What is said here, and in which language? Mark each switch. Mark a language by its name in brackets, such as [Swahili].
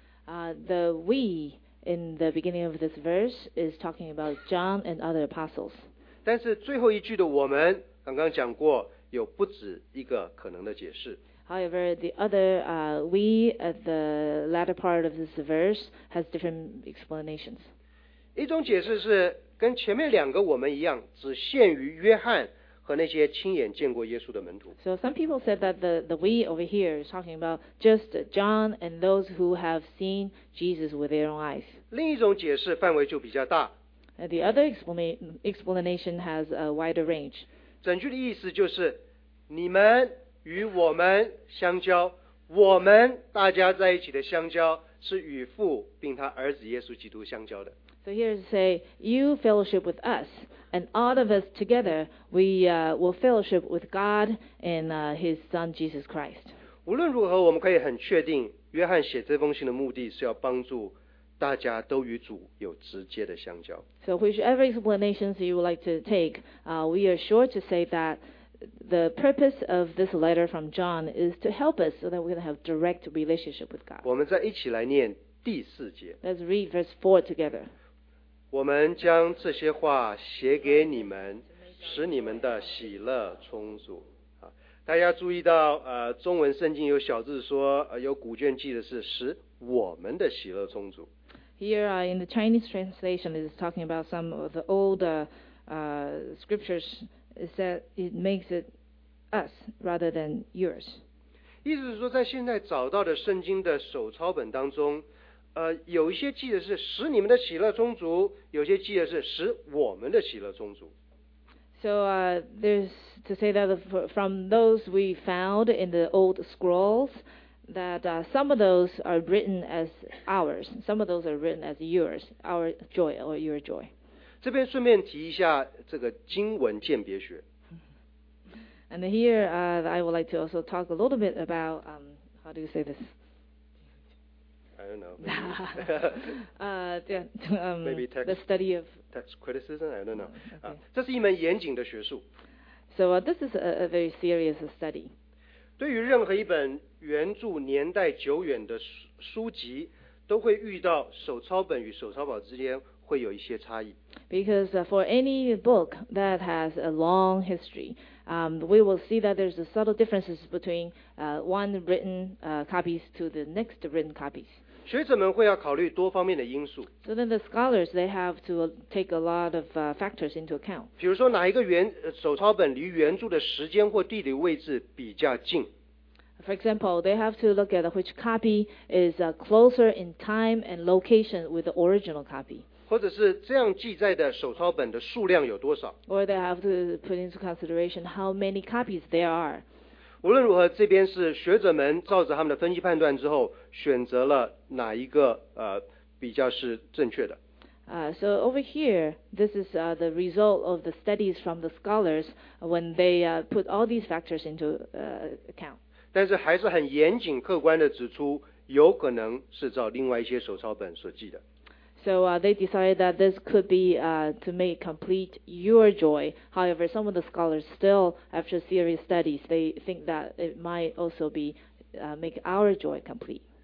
[English] The we in the beginning of this verse is talking about John and other apostles. [Chinese] 但是最后一句的我们，刚刚讲过，有不止一个可能的解释。 [English] However, the other we at the latter part of this verse has different explanations. [Chinese] 一种解释是跟前面两个我们一样，只限于约翰和那些亲眼见过耶稣的门徒。 [English] So some people said that the we over here is talking about just John and those who have seen Jesus with their own eyes. [Chinese] 另一种解释范围就比较大。 [English] The other explanation has a wider range. [Chinese] 整句的意思就是你们与我们相交，我们大家在一起的相交是与父并他儿子耶稣基督相交的。 [English] So here to say, you fellowship with us, and all of us together, we will fellowship with God and His Son Jesus Christ. [Chinese] 无论如何，我们可以很确定，约翰写这封信的目的是要帮助大家都与主有直接的相交。 [English] So whichever explanations you would like to take, we are sure to say that the purpose of this letter from John is to help us so that we can have direct relationship with God. [Chinese] 我们再一起来念第四节。 [English] Let's read verse 4 together. [Chinese] 我们将这些话写给你们，使你们的喜乐充足。大家注意到，中文圣经有小字说，有古卷记的是使我们的喜乐充足。 [English] Here, in the Chinese translation, it is talking about some of the old scriptures. Is that it makes it us rather than yours? [Chinese] 意思是说，在现在找到的圣经的手抄本当中。有一些记得是使你们的喜乐充足，有些记得是使我们的喜乐充足。 [English] So there's to say that from those we found in the old scrolls, that some of those are written as ours, some of those are written as yours, our joy or your joy. [Chinese] 这边顺便提一下这个经文鉴别学。 [English] And here I would like to also talk a little bit about how do you say this? I don't know. Maybe, maybe text, the study of text criticism. I don't know. Okay. [Chinese] 这是一门严谨的学术。 [English] So this is a very serious study. [Chinese] 对于任何一本原著年代久远的书籍，都会遇到手抄本与手抄本之间会有一些差异。 [English] Because for any book that has a long history, we will see that there's a subtle differences between one written copies to the next written copies. [Chinese] 学者们会要考虑多方面的因素。 [English] So then the scholars, they have to take a lot of factors into account. [Chinese] 比如说哪一个手抄本离原著的时间或地理位置比较近。 [English] For example, they have to look at which copy is closer in time and location with the original copy. [Chinese] 或者是这样记载的手抄本的数量有多少。 [English] Or they have to put into consideration how many copies there are. [Chinese] 无论如何，这边是学者们照着他们的分析判断之后，选择了哪一个比较是正确的。 [English] So over here, this is the result of the studies from the scholars when they put all these factors into account. [Chinese] 但是还是很严谨客观地指出，有可能是照另外一些手抄本所记的。 [English] So they decided that this could be to make complete your joy. However, some of the scholars still, after serious studies, they think that it might also be make our joy complete.